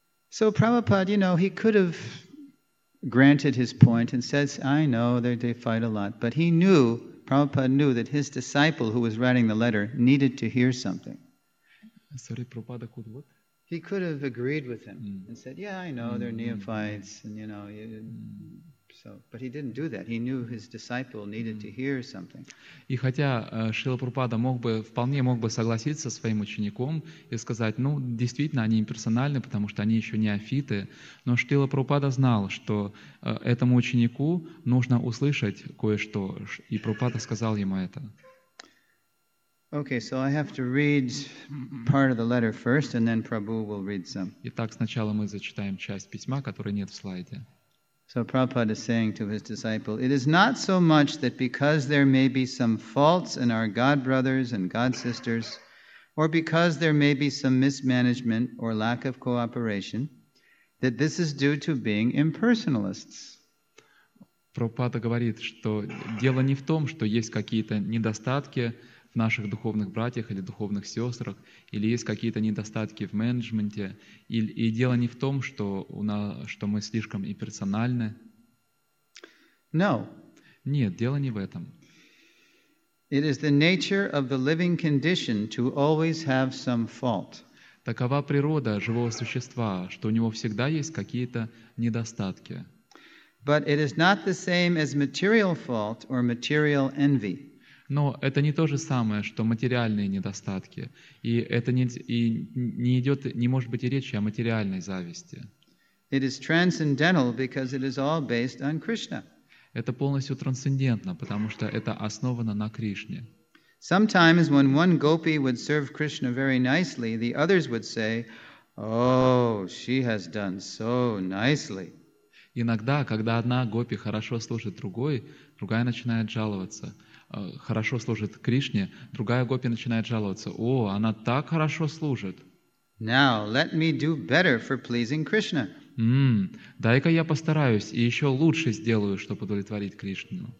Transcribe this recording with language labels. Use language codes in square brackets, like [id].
[en] So Prabhupada, you know, he could have granted his point and said, I know they fight a lot, but Prabhupada knew that his disciple who was writing the letter needed to hear something. Sorry, Prabhupada could what? He could have agreed with him and said, yeah, I know they're neophytes and you know, but he didn't do that. He knew his disciple needed to hear something. [ru] И хотя Шрила Прабхупада вполне мог бы согласиться со своим учеником и сказать, ну, действительно, они имперсональны, потому что они еще неофиты, но Шрила Прабхупада знал, что этому ученику нужно услышать кое-что, и Прабхупада сказал ему это. [en] Okay, so I have to read part of the letter first, and then Prabhu will read some. [ru] Итак, сначала мы зачитаем часть письма, которой нет в слайде. [en] So Prabhupada is saying to his disciple, it is not so much that because there may be some faults in our God brothers and God sisters, or because there may be some mismanagement or lack of cooperation, that this is due to being impersonalists. [ru] Prabhupada говорит, что дело не в том, что есть какие-то недостатки в наших духовных братьях или духовных сестрах, или есть какие-то недостатки в менеджменте, и дело не в том, что мы слишком имперсональны. [en] No. [ru] Нет, дело не в этом. [en] It is the nature of the living condition to always have some fault. [ru] Такова природа живого существа, что у него всегда есть какие-то недостатки. [en] But it is not the same as material fault or material envy. [ru] Но это не то же самое, что материальные недостатки. И это не может быть и речи о материальной зависти. [en] It is transcendental because it is all based on Krishna. [ru] Это полностью трансцендентно, потому что это основано на Кришне. [en] Sometimes when one gopi would serve Krishna very nicely, the others would say, oh, she has done so nicely. [ru] Иногда, когда одна гопи хорошо служит другой, другая начинает жаловаться. Хорошо служит Кришне, другая гопи начинает жаловаться. О, она так хорошо служит. [en] Now, let me do better for pleasing Krishna. [ru] Дай-ка я постараюсь и еще лучше сделаю, чтобы удовлетворить Кришну.